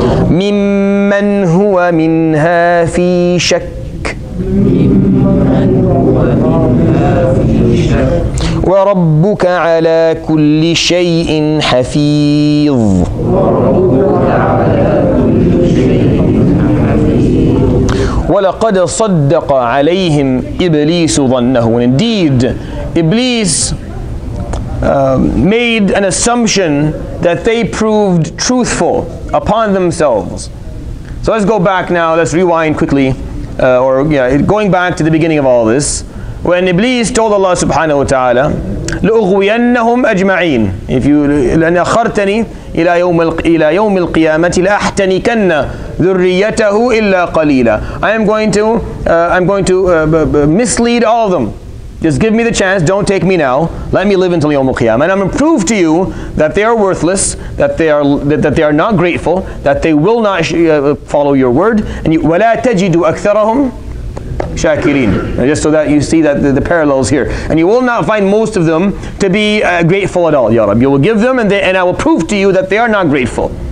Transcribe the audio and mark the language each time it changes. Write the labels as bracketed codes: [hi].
[ar] ممن هو منها في شك وربك على كل شيء حفيظ ولقد صدق عليهم إبليس ظنه. [en] And indeed, Iblis made an assumption that they proved truthful upon themselves. So let's go back now, let's rewind quickly, going back to the beginning of all this, when Iblis told Allah subhanahu wa ta'ala, [ar] لُغْوِيَنَّهُمْ أَجْمَعِينَ. [en] If you [ar] لَنَخَرْتَنِي, إِلَى يَوْمِ الْقِيَامَةِ لَأَحْتَنِكَنَّ ذُرِّيَّتَهُ إِلَّا قَلِيلًا. [en] I'm going to mislead all of them. Just give me the chance, don't take me now. Let me live until Yawm al-Qiyamah. And I'm going to prove to you that they are worthless, that they are not grateful, that they will not follow your word. And you, [ar] وَلَا تَجِدُ أَكْثَرَهُمْ شاكرين. [en] Just so that you see that the parallels here. And you will not find most of them to be grateful at all, Ya Rabbi. You will give them, and I will prove to you that they are not grateful.